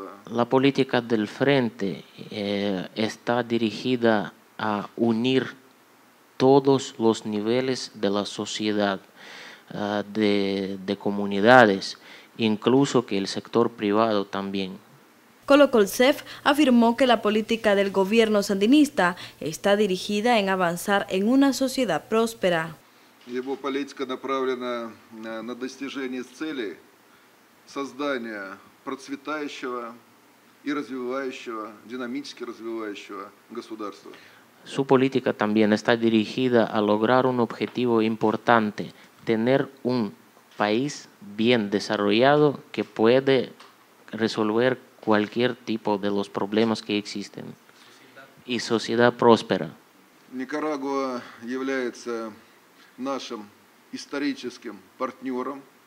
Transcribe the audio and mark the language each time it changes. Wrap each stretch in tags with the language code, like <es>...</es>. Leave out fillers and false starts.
<es>La política del Frente está dirigida a unir todos los niveles de la sociedad, de comunidades, incluso que el sector privado también. Kolokoltsev afirmó que la política del gobierno sandinista está dirigida en avanzar en una sociedad próspera.</es> <ru>Его политика направлена на достижение цели создания процветающего и развивающего, динамически развивающего государства.</ru> <es>Su política también está dirigida a lograr un objetivo importante, tener un país bien desarrollado que puede resolver cualquier tipo de los problemas que existen y sociedad próspera.</es> <ru>Nicaragua является нашим историческим партнером.</ru>